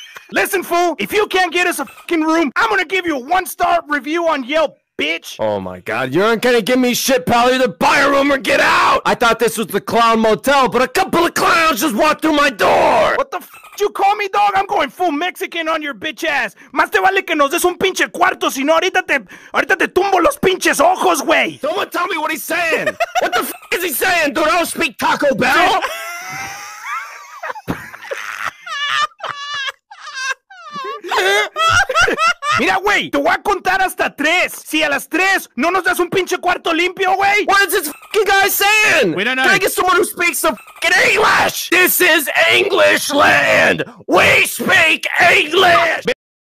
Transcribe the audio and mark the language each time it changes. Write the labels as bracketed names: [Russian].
[English] Listen, fool, if you can't get us a fucking room, I'm gonna give you a 1-star review on Yelp. Bitch! Oh my god, you aren't gonna give me shit, pal. Either buy a room or get out! I thought this was the clown motel, but a couple of clowns just walked through my door! What the f did you call me, dog? I'm going full Mexican on your bitch ass! [Spanish] Más te vale que nos des un pinche cuarto, sino ahorita te tumbo los pinches ojos, güey! [English] Someone tell me what he's saying! What the f is he saying, dude? I don't speak Taco Bell! [Spanish] Mira, güey, te voy a contar hasta tres. Si a las tres no nos das un pinche cuarto limpio, güey. [English] What is this fucking guy saying? We don't know. Can I get someone who speaks some fucking English? This is English land. We speak English.